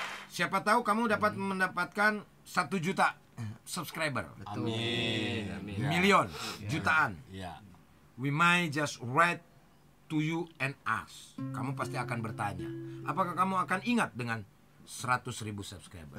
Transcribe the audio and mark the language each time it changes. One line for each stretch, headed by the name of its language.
Indonesian: Siapa tahu kamu dapat mendapatkan 1 juta subscriber. Betul. Amin. Million, jutaan.
English: Yeah. We might just write to you and ask.
Indonesian: Kamu pasti akan bertanya, apakah kamu akan ingat dengan 100.000 subscriber.